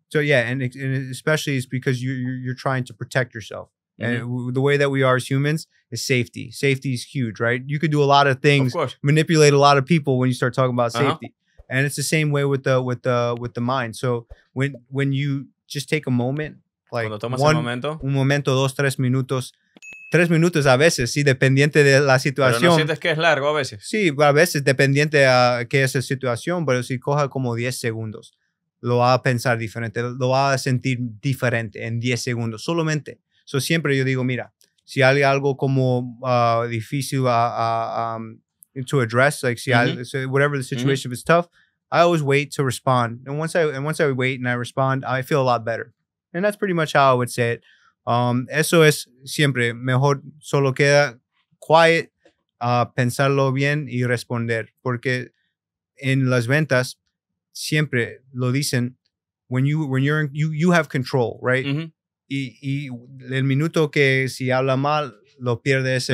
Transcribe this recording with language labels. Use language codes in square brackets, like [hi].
[en] So yeah, and especially it's because you're trying to protect yourself. Mm-hmm. And the way that we are as humans is safety. Safety is huge, right? You could do a lot of things, of course, manipulate a lot of people when you start talking about safety. Uh-huh. And it's the same way with the mind. So when you just take a moment, like [es] un momento, dos, tres minutos. Tres minutos a veces, sí, dependiente de la situación. Pero no sientes que es largo a veces. Sí, a veces, dependiente a qué es la situación, pero si coja como 10 segundos, lo va a pensar diferente, lo va a sentir diferente en 10 segundos, solamente. So siempre yo digo, mira, si hay algo como difícil [en] to address, like [es] si mm-hmm. [en] so whatever the situation mm-hmm. is tough, I always wait to respond. And once I wait and I respond, I feel a lot better. And that's pretty much how I would say it. [es] Eso es siempre mejor, solo queda quiet, pensarlo bien y responder. Porque en las ventas siempre lo dicen, [en] when you have control, right? [es] Mm-hmm. Y el minuto que si habla mal, lo pierde ese.